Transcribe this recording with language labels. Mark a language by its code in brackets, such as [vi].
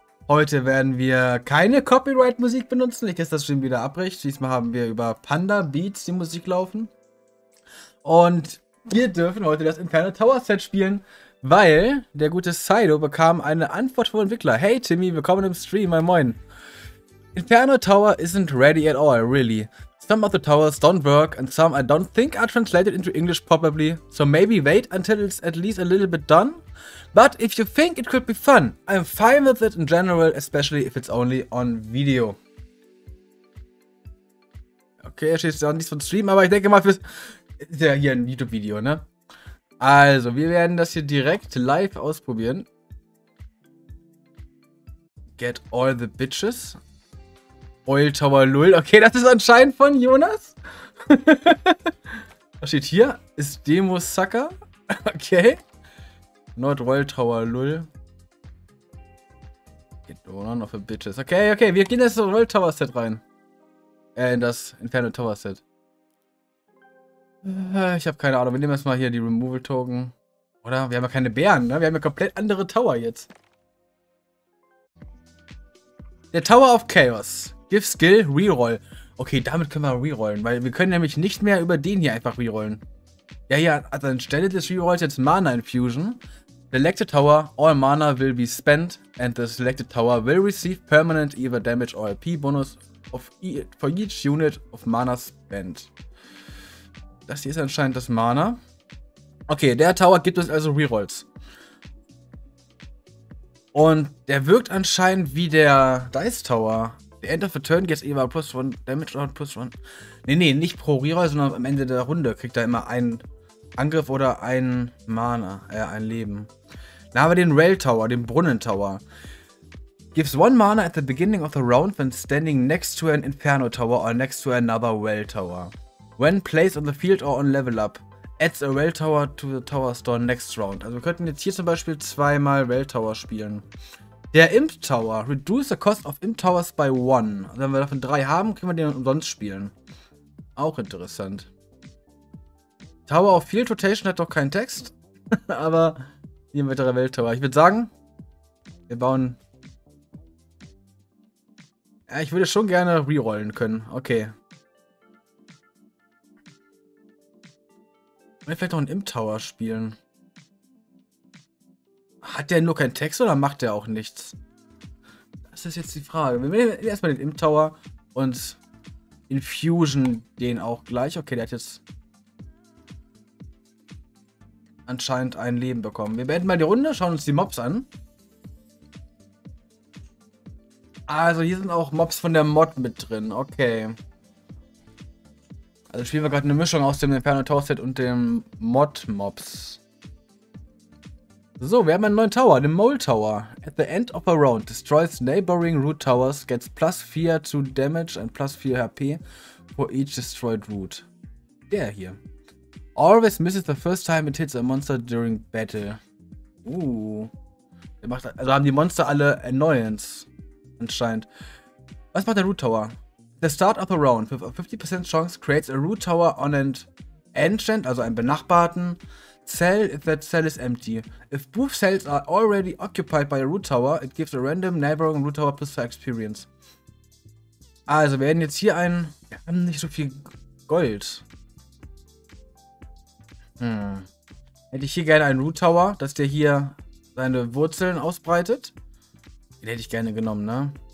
[de] Heute werden wir keine Copyright-Musik benutzen, nicht, dass das Stream wieder abbricht. Diesmal haben wir über Panda Beats die Musik laufen. Und wir dürfen heute das Inferno Tower Set spielen, weil der gute Saido bekam eine Antwort vom Entwickler. Hey Timmy, willkommen im Stream, moin moin. [en] Inferno Tower isn't ready at all, really. Some of the towers don't work and some I don't think are translated into English properly, so maybe wait until it's at least a little bit done. But if you think it could be fun, I'm fine with it in general, especially if it's only on video. [de] Okay, er steht auch nicht von Stream, aber ich denke mal fürs... Ist ja hier ein YouTube-Video, ne? Also, wir werden das hier direkt live ausprobieren. [en] Get all the bitches. Oil Tower Lull. [de] Okay, das ist anscheinend von Jonas. Was steht hier? Ist Demo Sucker. Okay. [en] Not Oil Tower Lull. Get down off the bitches. [de] Okay, okay, wir gehen jetzt in das Oil Tower Set rein. In das Inferno Tower Set. Ich habe keine Ahnung. Wir nehmen erstmal hier die Removal Token. Oder? Wir haben ja keine Bären, ne? Wir haben ja komplett andere Tower jetzt. Der Tower of Chaos. Give Skill, Reroll. Okay, damit können wir rerollen, weil wir können nämlich nicht mehr über den hier einfach rerollen. Ja, hier, also anstelle des Rerolls jetzt Mana Infusion. [en] Selected Tower, all Mana will be spent and the Selected Tower will receive permanent either Damage or AP Bonus of for each unit of Mana spent. [de] Das hier ist anscheinend das Mana. Okay, der Tower gibt uns also Rerolls. Und der wirkt anscheinend wie der Dice Tower. [en] The end of the turn gets either plus one damage or plus one. [de] Nee, nicht pro Reroll, sondern am Ende der Runde kriegt er immer einen Angriff oder ein Mana, ein Leben. Dann haben wir den Rail Tower, den Brunnen Tower. [en] Gives one Mana at the beginning of the round when standing next to an Inferno Tower or next to another Rail Tower. When placed on the field or on level up, adds a Rail Tower to the Tower Store next round. [de] Also wir könnten jetzt hier zum Beispiel zweimal Rail Tower spielen. Der Imp Tower. [en] Reduce the cost of Imp Towers by 1. [de] Also wenn wir davon 3 haben, können wir den umsonst spielen. Auch interessant. Tower of Field Rotation hat doch keinen Text. Aber hier ein weiterer Welt Tower. Ich würde sagen, wir bauen... Ja, ich würde schon gerne rerollen können. Okay. Wollen wir vielleicht noch einen Imp Tower spielen? Hat der nur keinen Text oder macht der auch nichts? Das ist jetzt die Frage. Wir nehmen erstmal den Imp Tower und infusion den auch gleich. Okay, der hat jetzt anscheinend ein Leben bekommen. Wir beenden mal die Runde, schauen uns die Mobs an. Also hier sind auch Mobs von der Mod mit drin. Okay. Also spielen wir gerade eine Mischung aus dem Inferno Tower Set und dem Mod Mobs. So, wir haben einen neuen Tower, den Mole Tower. [en] At the end of a round, destroys neighboring root towers, gets plus 4 to damage and plus 4 HP for each destroyed root. [de] Der hier. [en] Always misses the first time it hits a monster during battle. [de] Der macht, also haben die Monster alle Annoyance, anscheinend. Was macht der Root Tower? [en] The start of a round, with a 50% chance, creates a root tower on an ancient, [de] also einen benachbarten, [en] Cell, if that cell is empty. If both cells are already occupied by a root tower, it gives a random neighboring root tower plus 2 experience. [de] Also, wir werden jetzt hier ein... Wir haben nicht so viel Gold. Hätte ich hier gerne einen Root Tower, dass der hier seine Wurzeln ausbreitet. Den hätte ich gerne genommen, ne?